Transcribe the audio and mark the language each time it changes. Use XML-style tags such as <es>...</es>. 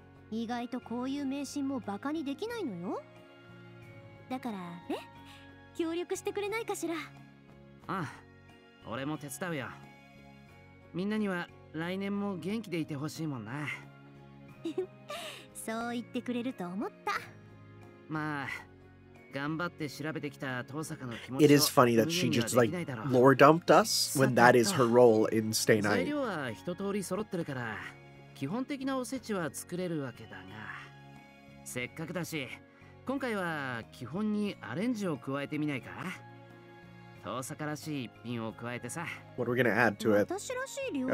<ja>意外とこういう迷信もバカにできないのよ。だからね、協力してくれないかしら。ああ、俺も手伝うよ。みんなには来年も元気でいてほしいもんな。そう言ってくれると思った。まあ。頑張って調べてきた登坂の気持ち。</ja> <en>It is funny that she just like lore dumped us when that is her role in Stay Night.</en> <ja>材料は一通り揃ってるから、基本的なおせちは作れるわけだが、せっかくだし、今回は基本にアレンジを加えてみないか。登坂らしい一品を加えてさ。</ja> <en>What are we gonna add to it?</en> <ja>私らしい料理。</ja>